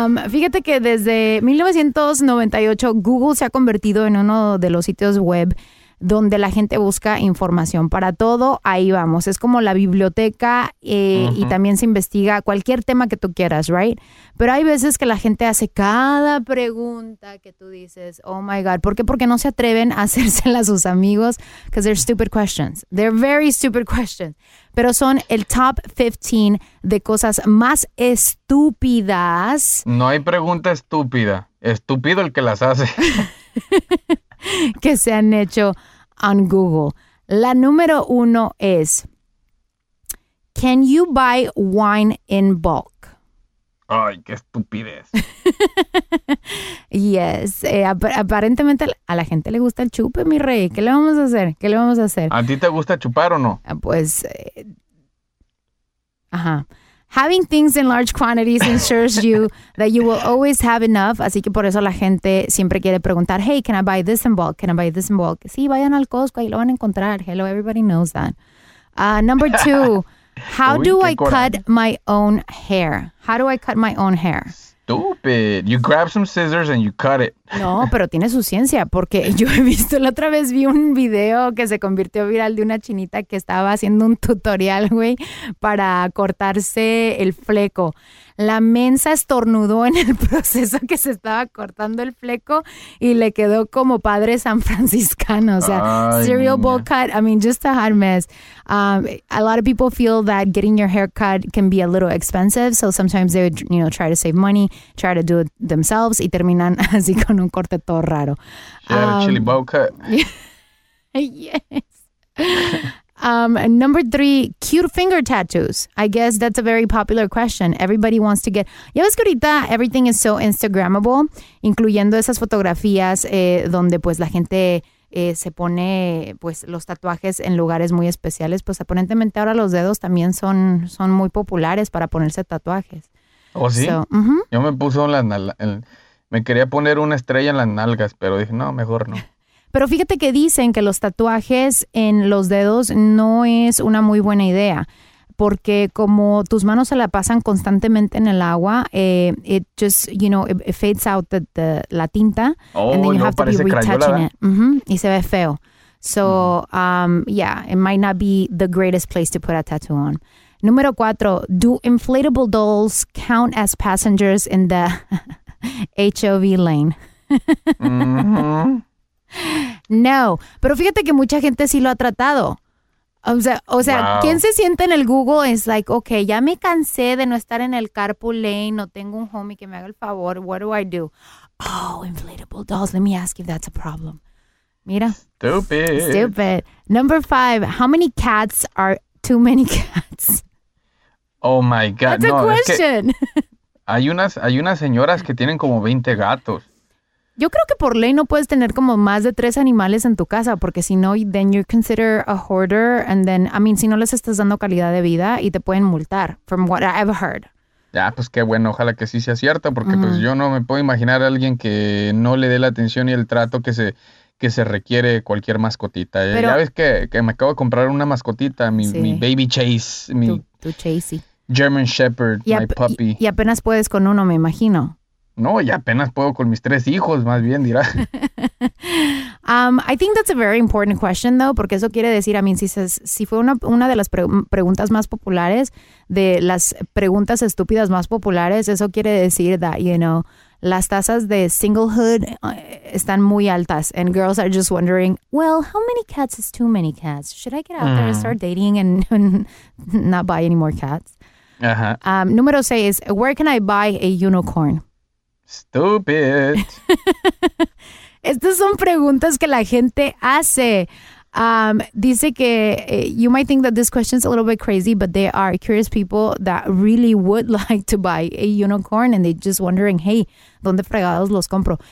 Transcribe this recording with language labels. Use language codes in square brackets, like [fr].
[es] Fíjate que desde 1998, Google se ha convertido en uno de los sitios web donde la gente busca información para todo. Ahí vamos. Es como la biblioteca y también se investiga cualquier tema que tú quieras, right? Pero hay veces que la gente hace cada pregunta que tú dices, [en] oh my God, [es] ¿por qué? Porque no se atreven a hacérsela a sus amigos. [en] Because they're stupid questions. They're very stupid questions. [es] Pero son el top 15 de cosas más estúpidas. No hay pregunta estúpida. Estúpido el que las hace. Que se han hecho on Google. La número uno es, [en] can you buy wine in bulk? [es] Ay, qué estupidez. [en] Yes. [es] Aparentemente a la gente le gusta el chupe, mi rey. ¿Qué le vamos a hacer? ¿Qué le vamos a hacer? ¿A ti te gusta chupar o no? Pues, ajá. [en] Having things in large quantities ensures you that you will always have enough. [es] Así que por eso la gente siempre quiere preguntar, [en] hey, can I buy this in bulk? Can I buy this in bulk? [es] Sí, vayan al Costco, ahí lo van a encontrar. [en] Hello, everybody knows that. Number two, how do I cut my own hair? How do I cut my own hair? Stupid. You grab some scissors and you cut it. [es] No, pero tiene su ciencia, porque yo he visto, la otra vez vi un video que se convirtió viral de una chinita que estaba haciendo un tutorial, güey, para cortarse el fleco. La mensa estornudó en el proceso que se estaba cortando el fleco y le quedó como padre san franciscano. O sea, ay, [en] cereal niña. Bowl cut, I mean, just a hot mess. A lot of people feel that getting your hair cut can be a little expensive, so sometimes they would, you know, try to save money, try to do it themselves, [es] y terminan así con un corte todo raro. [en] Chili bowl cut. Yes. Number three, cute finger tattoos. I guess that's a very popular question. Everybody wants to get... [es] Ya ves que ahorita [en] everything is so Instagrammable, [es] incluyendo esas fotografías donde pues la gente se pone pues los tatuajes en lugares muy especiales. Pues aparentemente ahora los dedos también son muy populares para ponerse tatuajes. ¿Oh, sí? So, uh-huh. Yo me puse me quería poner una estrella en las nalgas, pero dije, no, mejor no. Pero fíjate que dicen que los tatuajes en los dedos no es una muy buena idea, porque como tus manos se la pasan constantemente en el agua, [en] it just, you know, it fades out the [es] la tinta. [en] Oh, and then you no, have to be retouching crayola, it. [es] Mm-hmm. Y se ve feo. [en] So, yeah, it might not be the greatest place to put a tattoo on. [es] Número cuatro, [en] do inflatable dolls count as passengers in the HOV lane? Mm-hmm. [es] No, pero fíjate que mucha gente sí lo ha tratado. O sea, wow. ¿Quién se siente en el Google? Es like, okay, ya me cansé de no estar en el carpool lane, no tengo un homie que me haga el favor, [en] what do I do? Oh, inflatable dolls, let me ask if that's a problem. [es] Mira. [en] Stupid. Number five, how many cats are too many cats? Oh my God. That's no, a question. [es] Es que hay unas señoras que tienen como 20 gatos. Yo creo que por ley no puedes tener como más de tres animales en tu casa, porque si no, [en] then you're considered a hoarder, and then, I mean, [es] si no les estás dando calidad de vida y te pueden multar, [en] from what I've heard. [es] Ya, pues qué bueno, ojalá que sí sea cierto, porque pues yo no me puedo imaginar a alguien que no le dé la atención y el trato que se requiere cualquier mascotita. Pero, ya ves que me acabo de comprar una mascotita, mi baby Chase. Tu Chasey. [en] German Shepherd, my puppy. [es] Y apenas puedes con uno, me imagino. No, ya apenas puedo con mis tres hijos, más bien dirá. [en] I think that's a very important question, though, [es] porque eso quiere decir, [en] I mean, [es] si fue una de las preguntas más populares, [en] de las preguntas estúpidas más populares, [es] eso quiere decir [en] that, you know, [es] las tasas de singlehood están muy altas, [en] and girls are just wondering, well, how many cats is too many cats? Should I get out there and start dating and not buy any more cats? Uh-huh. [es] Número seis, [en] where can I buy a unicorn? Stupid. [es] Estas son preguntas que la gente hace. [en] Dice que you might think that this question is a little bit crazy, but they are curious people that really would like to buy a unicorn, and they're just wondering, hey, [es] ¿dónde fregados los compro?